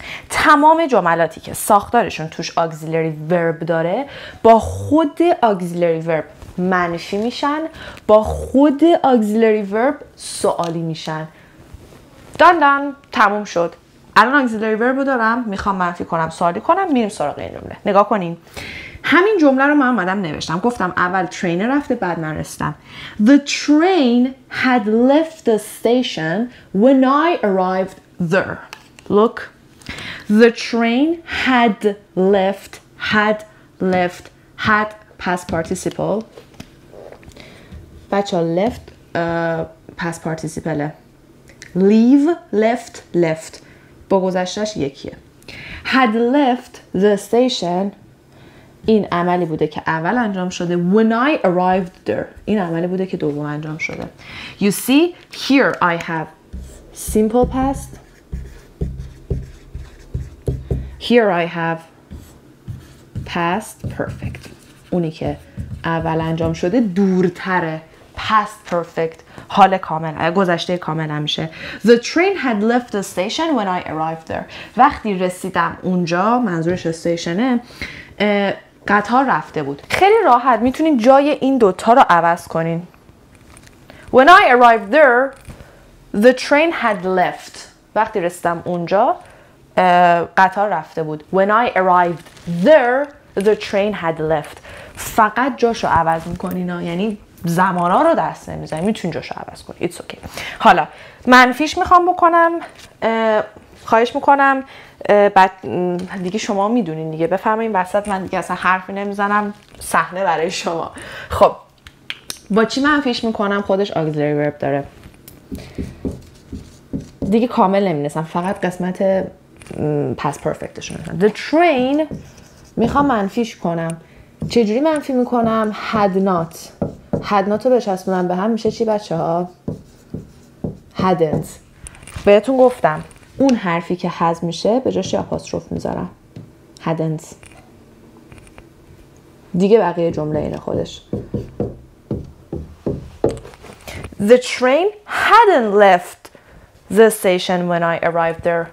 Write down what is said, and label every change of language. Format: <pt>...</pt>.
<fa>تمام جملاتی که ساختارشون توش auxiliary verb داره با خود auxiliary verb منفی میشن، با خود auxiliary verb سوالی میشن. دان دان، تموم شد. الان auxiliary verb رو دارم، میخوام منفی کنم، سوالی کنم، میریم سراغ این جمله. نگاه کنین، همین جمله رو من اومدم نوشتم، گفتم اول ترین رفته بعد من رسیدم.</fa> <en>The train had left the station when I arrived there. Look. The train had left, had left, had past participle.</en> <fa>بچه ها</fa> <en>left past participle. Leave, left, left.</en> <fa>با گذشتش یکیه.</fa> <en>Had left the station.</en> <fa>این عملی بوده که اول انجام شده.</fa> <en>When I arrived there.</en> <fa>این عملی بوده که دوم انجام شده.</fa> <en>You see, here I have simple past. Here I have past perfect.</en> <fa>اونی که اول انجام شده دورتره. Past perfect. حال کامل. گذشته کامل همیشه.</fa> <en>The train had left the station when I arrived there.</en> <fa>وقتی رسیدم اونجا، منظورش استیشنه، قطار رفته بود. خیلی راحت میتونین جای این دوتا رو عوض کنین.</fa> <en>When I arrived there, the train had left.</en> <fa>وقتی رسیدم اونجا، قطار رفته بود.</fa> <en>When I arrived there, the train had left.</en> <fa>فقط جاشو عوض میکنین، یعنی زمانا رو دست نمیزنین، میتونین جاشو عوض کنین.</fa> <en>It's okay.</en> <fa>حالا منفیش میخوام بکنم، خواهش میکنم، بعد دیگه شما میدونین دیگه، بفهمین وسط من دیگه اصلا حرفی نمیزنم، صحنه برای شما. خب با چی منفیش میکنم؟ خودش auxiliary verb داره دیگه، کامل نمینسم، فقط قسمت پس پرفکتشون میکنم.</fa> <en>The train</en> <fa>میخوام منفیش کنم. چجوری منفی میکنم؟</fa> <en>had not. had not</en> <fa>رو بچسبونم به هم میشه چی بچه ها؟ hadn't. بهتون گفتم اون حرفی که هز میشه به جاش آپاستروف میذارم.</fa> <en>hadn't.</en> <fa>دیگه بقیه جمله اینه خودش.</fa> <en>The train hadn't left the station when I arrived there.</en>